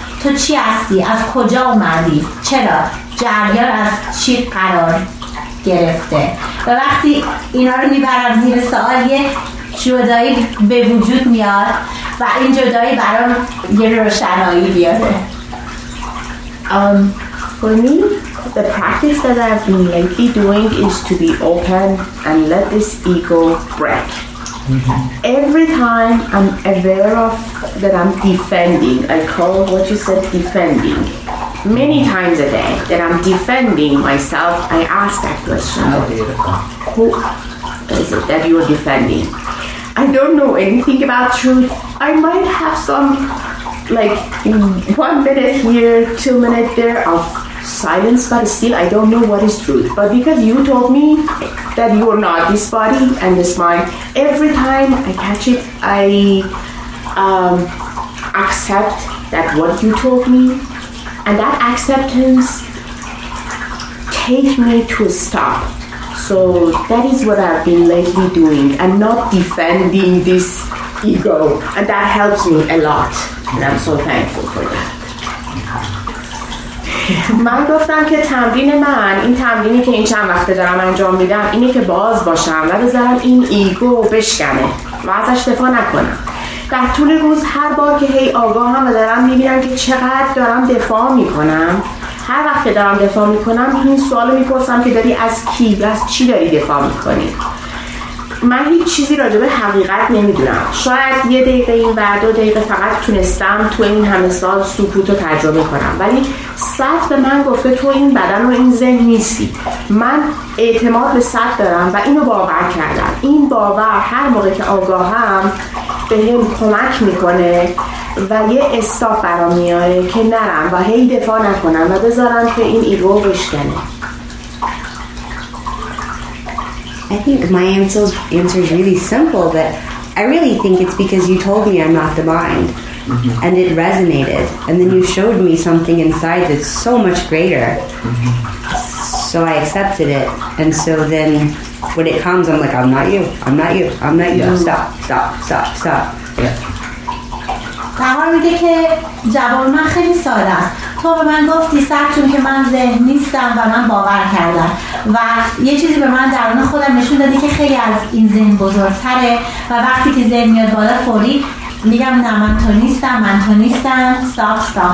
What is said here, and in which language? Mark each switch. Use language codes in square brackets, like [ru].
[fa] تو چی هستی؟ از کجا اومدی؟ چرا؟ جریان از چی قرار گرفته؟ و وقتی اینا رو میبرم زیر سوال، یه جدایی به وجود میاد و این جدایی برام یه روشنایی بیاره. [en] For me, the practice that I've been lately doing is to be open and let this ego break. Every time I'm aware of that I'm defending, I call what you said defending, many times a day that I'm defending myself, I ask that question. Who is it that you're defending? I don't know anything about truth. I might have some, like, 1 minute here, 2 minutes there of silence, but still I don't know what is truth. But because you told me that you are not this body and this mind, every time I catch it, I accept that what you told me, and that acceptance takes me to a stop. So that is what I've been lately doing, and not defending this ego, and that helps me a lot, and I'm so thankful for that. [fa] من گفتم که تمرین من، این تمرینی که این چند وقته دارم انجام میدم، اینه که باز باشم و بذارم این ایگو بشکنه و ازش دفاع نکنم. در طول روز هر بار که هی آگاهم و دارم میبینم که چقدر دارم دفاع میکنم، هر وقت که دارم دفاع میکنم این سوالو میپرسم که داری از کی و از چی داری دفاع میکنی؟ من هیچ چیزی راجع به حقیقت نمیدونم. شاید یه دقیقه این بعد دو دقیقه فقط تونستم تو این همه سال سکوت رو تجربه کنم، ولی صد به من گفته تو این بدن و این ذهن نیستی. من اعتماد به صد دارم و اینو باور کردم. این باور هر موقع که آگاهم بهم کمک میکنه و یه استاپ برام میاره که نرم و هی دفاع نکنم و بذارم که این ایگو بشکنه. [en] I think my answer is really simple, but I really think it's because you told me I'm not the mind, and it resonated, and then you showed me something inside that's so much greater, so I accepted it, and so then when it comes, I'm like, I'm not you, yeah. stop. Yeah. [fa] قرار میگه که جواب من خیلی ساده است. تو به من گفتی سر چون که من ذهن نیستم و من باور کردم و یه چیزی به من درون خودم نشون دادی که خیلی از این ذهن بزرگتره و وقتی که ذهن میاد بالا فوری میگم نه من تو نیستم stop.